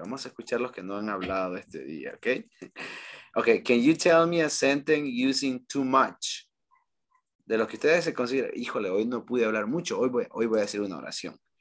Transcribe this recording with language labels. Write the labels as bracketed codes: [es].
[es] Vamos a escuchar los que no han hablado este día, okay? [en] Okay, can you tell me a sentence using too much? [es] De los que ustedes se consideran, híjole, hoy no pude hablar mucho, hoy voy a hacer una oración.